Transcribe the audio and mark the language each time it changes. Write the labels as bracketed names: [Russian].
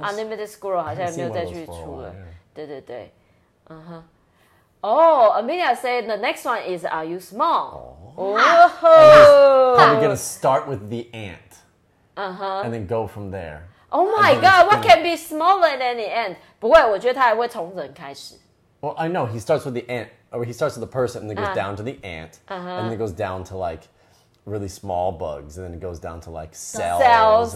[Chinese] Unlimited Squirrel 好像也没有再继续出了。对对对。 [English] Uh-huh. Oh, Amelia said the next one is Are You Small? Oh. Are we going to start with the ant? Uh-huh. And then go from there. Oh my god, what can be smaller than the ant? [Chinese] 不会我觉得他还会从人开始。 [English] Well, I know, he starts with the ant, or he starts with the person, and then goes down to the ant, and then goes down to, like, really small bugs, and then it goes down to, like, cells